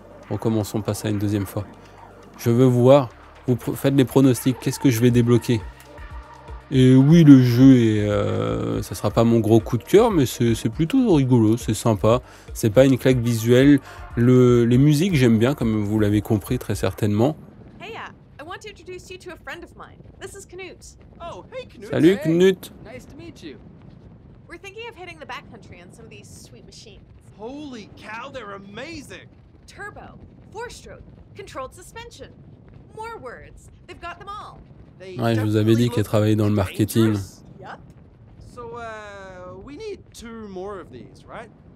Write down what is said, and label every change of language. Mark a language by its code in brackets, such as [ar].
[fr] Recommençons pas ça une deuxième fois. Je veux voir. Vous faites les pronostics. Qu'est-ce que je vais débloquer? Et oui, le jeu est. Ça sera pas mon gros coup de cœur, mais c'est plutôt rigolo. C'est sympa. C'est pas une claque visuelle. Les musiques, j'aime bien, comme vous l'avez compris très certainement. [en] Hey, I want to introduce you to a friend of mine. This is Knut. Oh, hey Knut. [fr] Salut Knut. [en] Nice to meet you. We're thinking of hitting the backcountry on some of these sweet machines. Holy cow, they're amazing. Turbo, four-stroke, controlled suspension. More words. They've got them all. [fr] Ouais, je vous avais dit qu'elle travaillait dans le marketing. [en] Yep. So, we need 2 more of these, right?